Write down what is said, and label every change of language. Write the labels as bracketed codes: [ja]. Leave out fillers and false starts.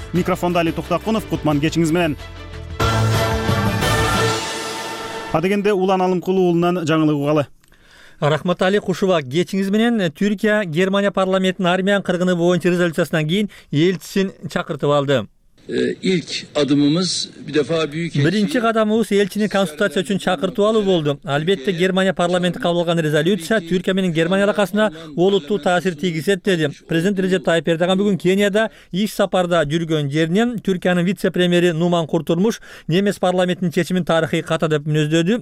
[ky] Микрофондо Али Токтокунов, Кутман кечиңиз менен. Адегенде Улан Алымкулу уулунан жаңылыгы угалы. Рахмат Али Кушува, кечиңиз менен Түркия Германия парламентин армян кыргыны боюнча резолюциясынан кийин элчисин чакыртып алды. [tr] İlk adımımız bir defa büyük elçi. [ky] Биринчи кадамыбыз элчини консультация үчүн чакыртып алуу болду. Албетте Германия парламенти кабыл алган резолюция Түркия менен Германия аракасына олуттуу таасир тийгизет деди. Президент Режеп Тайип Эрдоган бүгүн Кенияда иш сапарда жүргөн жеринен Түркиянын вице-премьери Нуман Куртурмуш немес парламентинин чечимин тарыхый ката деп мүнөздөдү.